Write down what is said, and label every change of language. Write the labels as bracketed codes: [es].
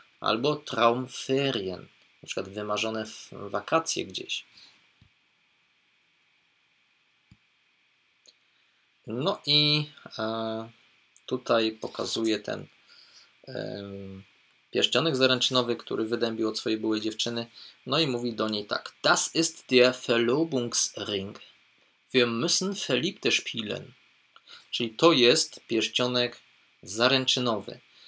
[pl] Albo Traumferien, na przykład wymarzone wakacje gdzieś. No i tutaj pokazuje ten pierścionek zaręczynowy, który wydębił od swojej byłej dziewczyny. No i mówi do niej tak. [de] Das ist der Verlobungsring. Wir müssen Verliebte spielen. [pl] Czyli to jest pierścionek zaręczynowy.